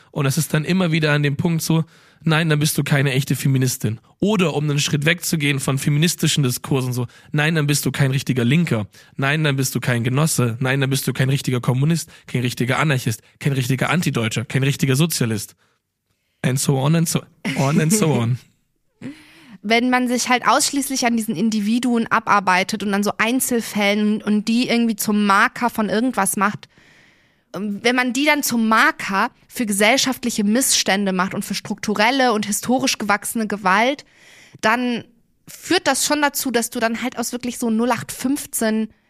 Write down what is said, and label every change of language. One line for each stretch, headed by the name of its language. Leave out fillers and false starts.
German: Und es ist dann immer wieder an dem Punkt so, nein, dann bist du keine echte Feministin. Oder um einen Schritt wegzugehen von feministischen Diskursen so, nein, dann bist du kein richtiger Linker. Nein, dann bist du kein Genosse. Nein, dann bist du kein richtiger Kommunist, kein richtiger Anarchist, kein richtiger Antideutscher, kein richtiger Sozialist.
English: And so on and so on and so on.
German: Wenn man sich halt ausschließlich an diesen Individuen abarbeitet und an so Einzelfällen und die irgendwie zum Marker von irgendwas macht, wenn man die dann zum Marker für gesellschaftliche Missstände macht und für strukturelle und historisch gewachsene Gewalt, dann führt das schon dazu, dass du dann halt aus wirklich so 0815